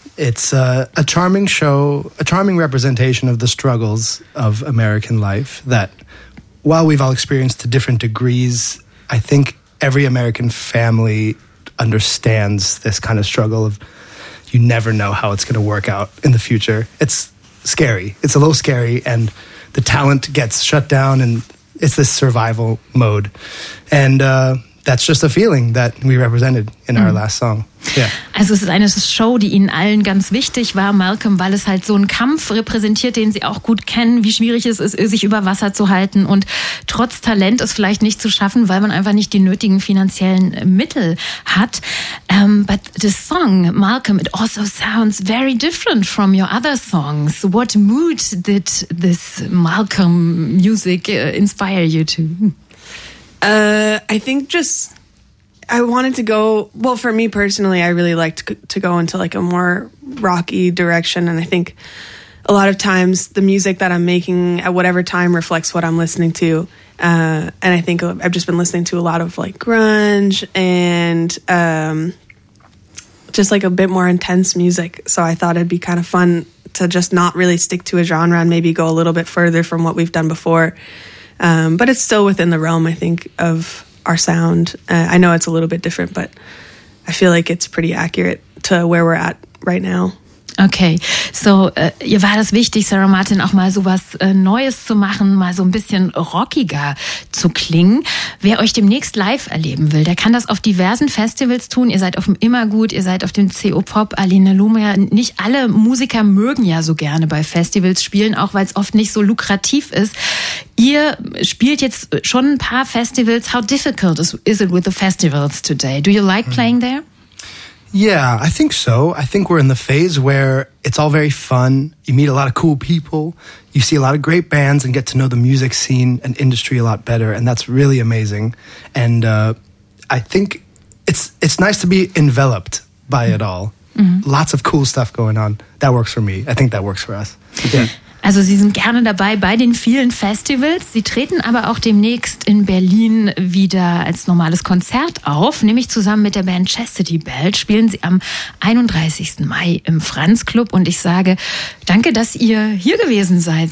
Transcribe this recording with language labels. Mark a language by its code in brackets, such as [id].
[en] It's a charming show, a charming representation of the struggles of American life that, while we've all experienced to different degrees, I think every American family understands this kind of struggle of you never know how it's going to work out in the future. It's scary. It's a little scary, and the talent gets shut down, and it's this survival mode. And that's just a feeling that we represented in our last song. Yeah. [de] Also es ist eine Show, die Ihnen allen ganz wichtig war, Malcolm, weil es halt so einen Kampf repräsentiert, den Sie auch gut kennen, wie schwierig es ist, sich über Wasser zu halten und trotz Talent es vielleicht nicht zu schaffen, weil man einfach nicht die nötigen finanziellen Mittel hat. [en] But the song, Malcolm, it also sounds very different from your other songs. What mood did this Malcolm music inspire you to? I think just... I wanted to go, well, for me personally, I really liked to go into like a more rocky direction. And I think a lot of times the music that I'm making at whatever time reflects what I'm listening to. And I think I've just been listening to a lot of like grunge and just like a bit more intense music. So I thought it'd be kind of fun to just not really stick to a genre and maybe go a little bit further from what we've done before. But it's still within the realm, I think, of our sound. I know it's a little bit different, but I feel like it's pretty accurate to where we're at right now. [de] Okay, so ihr war das wichtig, Sarah Martin, auch mal sowas Neues zu machen, mal so ein bisschen rockiger zu klingen. Wer euch demnächst live erleben will, der kann das auf diversen Festivals tun. Ihr seid auf dem Immergut, ihr seid auf dem CO Pop, Aline Lumia. Nicht alle Musiker mögen ja so gerne bei Festivals spielen, auch weil es oft nicht so lukrativ ist. Ihr spielt jetzt schon ein paar Festivals. [en] How difficult is it with the festivals today? Do you like playing there? Yeah, I think so. I think we're in the phase where it's all very fun. You meet a lot of cool people. You see a lot of great bands and get to know the music scene and industry a lot better. And that's really amazing. And I think it's nice to be enveloped by it all. Mm-hmm. Lots of cool stuff going on. That works for me. I think that works for us. Yeah. [de] Also Sie sind gerne dabei bei den vielen Festivals. Sie treten aber auch demnächst in Berlin wieder als normales Konzert auf, nämlich zusammen mit der Band Chastity Belt spielen Sie am 31. Mai im Franz Club. Und ich sage, danke, dass ihr hier gewesen seid.